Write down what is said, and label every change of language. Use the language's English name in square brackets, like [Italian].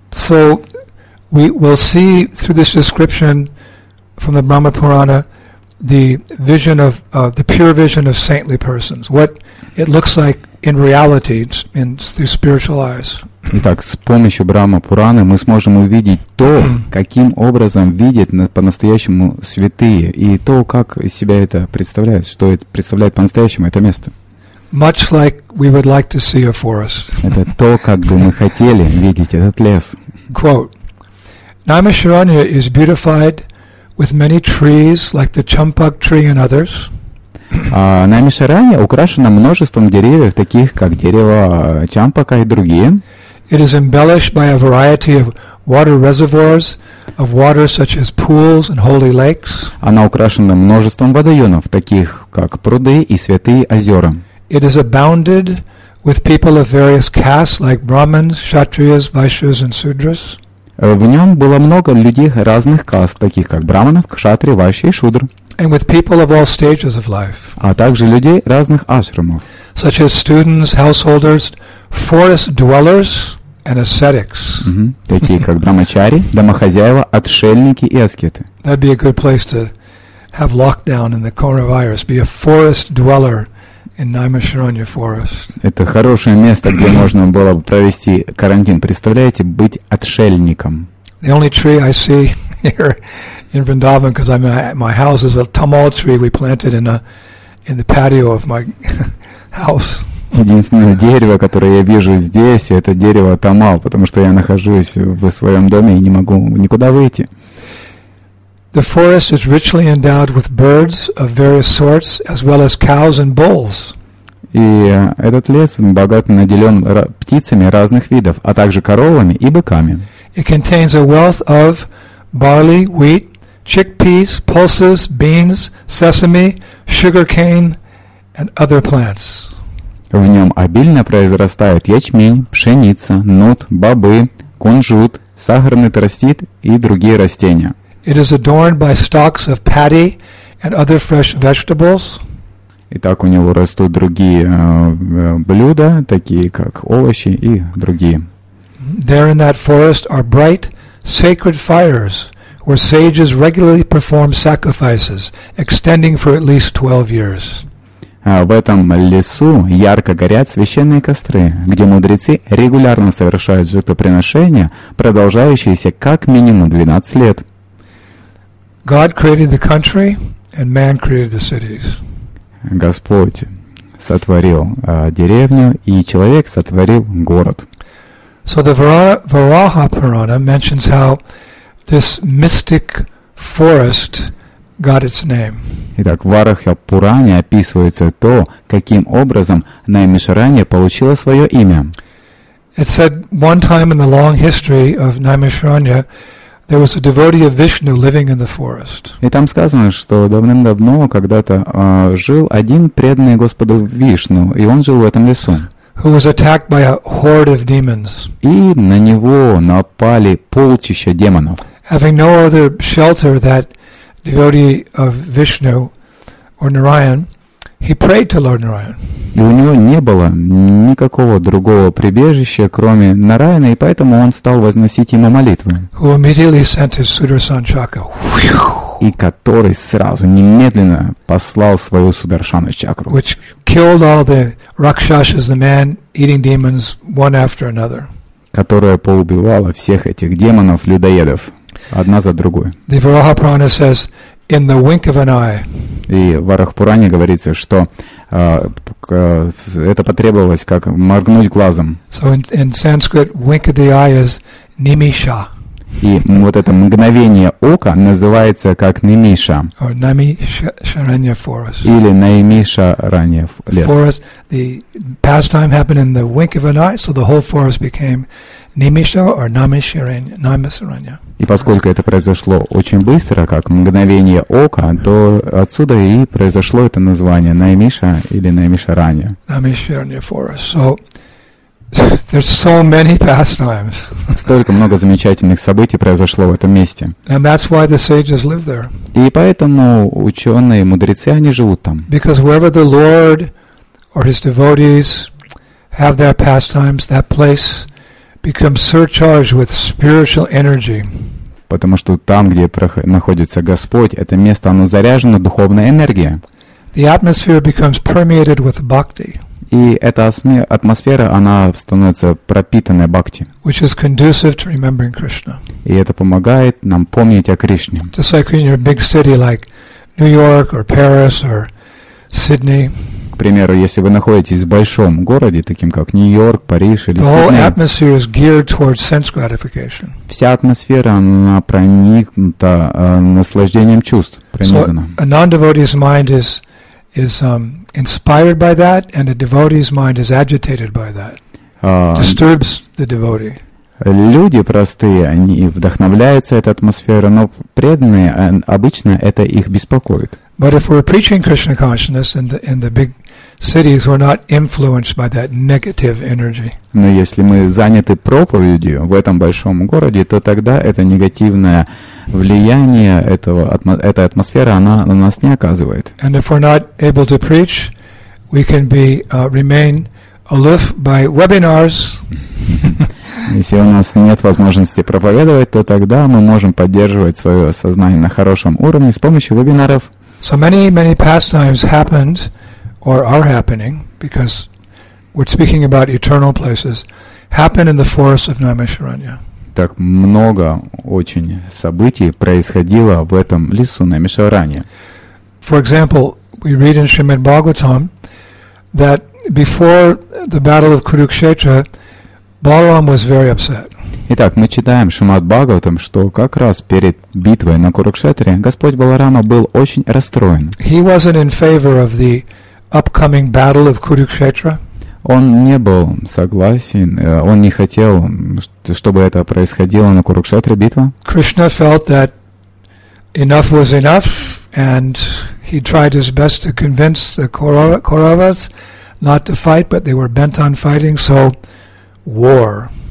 [English] So we will see through this description from the Brahma Purana the vision of the pure vision of saintly persons. What it looks like in reality, through spiritual eyes. [Russian] Итак, с помощью Брахма Пураны мы сможем увидеть то, каким образом видят по-настоящему святые, и то, как себя это представляет, что это представляет по-настоящему это место. [English] Much like we would like to see a forest. [Russian] Это то, как бы мы хотели видеть этот лес. [English] Quote, Naimasharanya is beautified with many trees, like the Champak tree and others. [Russian] Наймашараньи украшено множеством деревьев, таких как дерево Чампака и другие. [English] It is embellished by a variety of water reservoirs of water such as pools and holy lakes. [Russian] Она украшена множеством водоемов, таких как пруды и святые озера. [English] It is abounded with people of various castes like Brahmins, Kshatriyas, Vaishyas and Sudras. [Russian] В нем было много людей разных каст, таких как Брахманов, Кшатри, Вайши и Шудр. [English] And with people of all stages of life. [Russian] А также людей разных ашрамов. [English] Such as students, householders, forest dwellers and ascetics. [Russian] Такие как брамачари, домохозяева, отшельники и аскеты. [English] That'd be a good place to have lockdown in the coronavirus. Be a forest dweller in Naimasharanya forest. [Russian] Это хорошее место, где можно было бы провести карантин. Представляете, быть отшельником. [English] The only tree I see here in Vrindavan, because I'm at my house, is a tamal tree we planted in the patio of my house. [Russian] Единственное дерево, которое я вижу здесь, это дерево тамал, потому что я нахожусь в своем доме и не могу никуда выйти. [English] The forest is richly endowed with birds of various sorts, as well as cows and bulls. [Russian] И этот лес богато наделен птицами разных видов, а также коровами и быками. [English] It contains a wealth of barley, wheat, chickpeas, pulses, beans, sesame, sugarcane, and other plants. [Russian] В нем обильно произрастают ячмень, пшеница, нут, бобы, кунжут, сахарный тростит и другие растения. [English] It is adorned by stalks of paddy and other fresh vegetables. [Russian] Итак, у него растут другие блюда, такие как овощи и другие. [English] There in that forest are bright sacred fires where sages regularly perform sacrifices extending for at least 12 years. [Russian] В этом лесу ярко горят священные костры, где мудрецы регулярно совершают жертвоприношения, продолжающиеся как минимум 12 лет. [English] God created the country and man created the cities. [Russian] Господь сотворил деревню и человек сотворил город. [English] So the Varaha Purana mentions how this mystic forest got its name. [Russian] Итак, Вараха Пуране описывается то, каким образом Наймишаранья получила свое имя. [English] It said one time in the long history of Наймишаранья, there was a devotee of Vishnu living in the forest. [Russian] И там сказано, что давным-давно когда-то жил один преданный Господу Вишну, и он жил в этом лесу. [English] Who was attacked by a horde of demons. [Russian] И на него напали полчища демонов. [English] Having no other shelter, that devotee of Vishnu or Narayan, he prayed to Lord Narayan. [Russian] И у него не было никакого другого прибежища, кроме Нараяна, и поэтому он стал возносить ему молитвы. [English] Who immediately sent his Sudarshan chakra. [Russian] И который сразу, немедленно послал свою Сударшану чакру. [English] Which killed all the Rakshashas, the man-eating demons, one after another. [Russian] Которая поубивала всех этих демонов-людоедов, одна за другой. [English] The Varaha Purana says, in the wink of an eye. [Russian] И в Варахапуране говорится, что это потребовалось как моргнуть глазом. [English] So in Sanskrit, wink of the eye is nimisha. [Russian] И вот это мгновение ока называется как нимиша. [English] Or Наймишаранья forest. [Russian] Или Наймишаранья лес. [English] Forest, the pastime happened in the wink of an eye, so the whole forest became Nimisha or Naimisharanya. [Russian] И поскольку это произошло очень быстро, как мгновение ока, то отсюда и произошло это название Наймиша или Наймишаранья. [English] Наймишаранья forest. So there's so many pastimes. [Russian] Столько много замечательных событий произошло в этом месте. [English] And that's why the sages live there. [Russian] И поэтому ученые, мудрецы, они живут там. [English] Because wherever the Lord or his devotees have their pastimes, that place becomes surcharged with spiritual energy. [Russian] Потому что там, где находится Господь, это место, оно заряжено духовной энергией. [English] The atmosphere becomes permeated with bhakti. [Russian] И эта атмосфера, она становится пропитанной бхакти. [English] Which is conducive to remembering Krishna. [Russian] И это помогает нам помнить о Кришне. [English] Just like in your big city, like New York or Paris or Sydney. [Russian] К примеру, если вы находитесь в большом городе, таким как Нью-Йорк, Париж или Сидней, вся атмосфера она проникнута наслаждением чувств, пронизана. [English] So a non-devotee's mind is inspired by that, and a devotee's mind is agitated by that, disturbs the devotee. [Russian] Люди простые, они вдохновляются этой атмосферой, но преданные обычно это их беспокоит. [English] But if we're preaching Krishna consciousness in the big cities, we're not influenced by that negative energy. [Russian] Но если мы заняты проповедью в этом большом городе, то тогда это негативное влияние этого эта атмосфера она на нас не оказывает. [English] And if we're not able to preach, we can be remain aloof by webinars. [Russian] Если у нас нет возможности проповедовать, то тогда мы можем поддерживать свое сознание на хорошем уровне с помощью вебинаров. [English] So many, many pastimes happened or are happening, because we're speaking about eternal places, happen in the forest of Naimisharanya. [Russian] Так много очень событий происходило в этом лесу Наймишаранья. [English] For example, we read in Srimad Bhagavatam that before the battle of Kurukshetra, Balaram was very upset. [Russian] Итак, мы читаем Шримад Бхагаватам, что как раз перед битвой на Курукшетре Господь Баларама был очень расстроен. [English] He wasn't in favor of the upcoming battle of Kurukshetra. [Russian] Он не был согласен, он не хотел, чтобы это происходило на Курукшетре, битва. [English] Krishna felt that enough was enough, and he tried his best to convince the Kauravas not to fight, but they were bent on fighting, so war.